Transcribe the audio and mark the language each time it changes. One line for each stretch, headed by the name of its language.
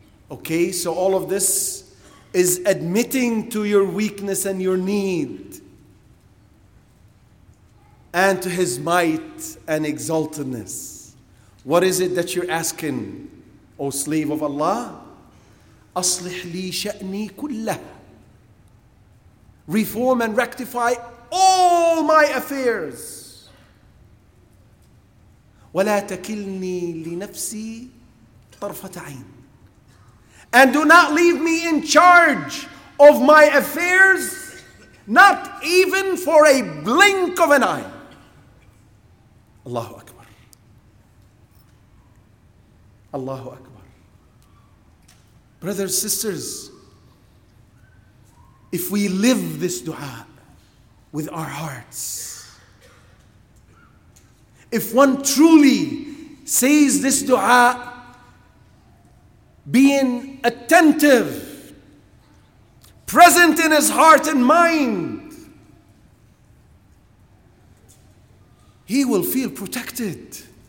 English: Okay, so all of this is admitting to your weakness and your need, and to His might and exaltedness. What is it that you're asking, O slave of Allah?
Arabic: أصلح لي شأني كله.
English: Reform and rectify all my affairs.
Arabic: ولا تكلني لنفسي طرفة عين.
English: And do not leave me in charge of my affairs, not even for a blink of an eye. Allahu Akbar. Allahu Akbar. Brothers, sisters, if we live this dua with our hearts, if one truly says this dua, being attentive, present in his heart and mind, he will feel protected.